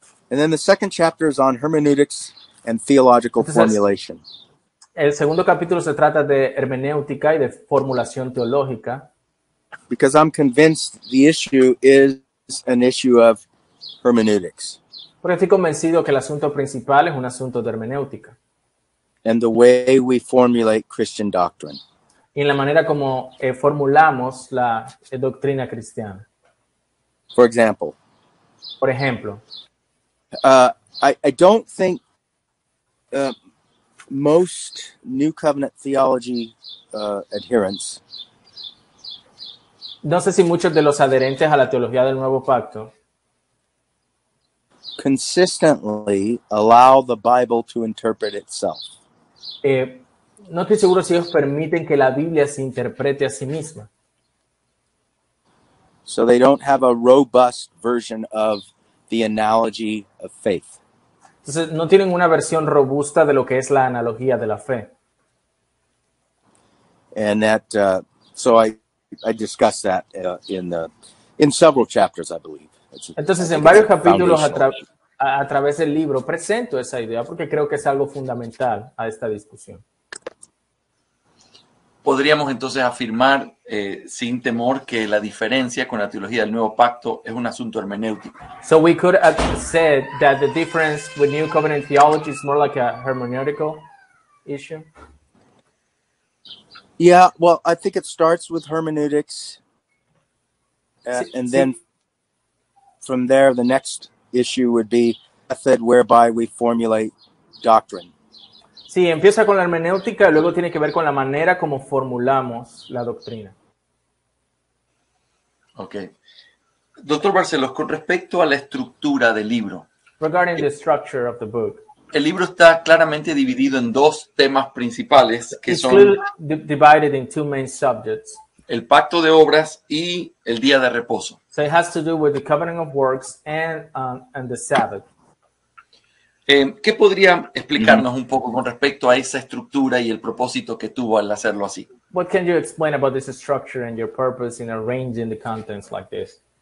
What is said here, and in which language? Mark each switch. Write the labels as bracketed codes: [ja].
[en] And then the second chapter is on hermeneutics and theological formulation. [es] El segundo capítulo se trata de hermenéutica y de formulación teológica. [en] Because I'm convinced the issue is an issue of hermeneutics. [es] Porque estoy convencido que el asunto principal es un asunto de hermenéutica. [en] And the way we formulate Christian doctrine. [es] Y en la manera como formulamos la doctrina cristiana. [en] For example. [es] Por ejemplo. [en] I don't think most New Covenant theology adherents. [es] No sé si muchos de los adherentes a la teología del Nuevo Pacto [en] consistently allow the Bible to interpret itself. [es] No estoy seguro si ellos permiten que la Biblia se interprete a sí misma. [en] So they don't have a robust version of the analogy of faith. [es] Entonces, no tienen una versión robusta de lo que es la analogía de la fe. [en] And that, so I discuss that in several chapters, I believe. [es] Entonces, en varios capítulos a través del libro presento esa idea porque creo que es algo fundamental a esta discusión. Podríamos entonces afirmar sin temor que la diferencia con la teología del Nuevo Pacto es un asunto hermenéutico. [en] So we could have said that the difference with New Covenant theology is more like a hermeneutical issue. Yeah, well, I think it starts with hermeneutics, and then from there the next issue would be a method whereby we formulate doctrine. [es] Sí, empieza con la hermenéutica y luego tiene que ver con la manera como formulamos la doctrina. Ok. Doctor Barcellos, con respecto a la estructura del libro. [en] Regarding the structure of the book. [es] El libro está claramente dividido en dos temas principales que [en] son... divided in two main subjects. [es] El pacto de obras y el día de reposo. [en] So it has to do with the covenant of works and the Sabbath. [es] ¿Qué podría explicarnos un poco con respecto a esa estructura y el propósito que tuvo al hacerlo así? [en] What can you explain about this structure and your purpose in arranging the contents like this?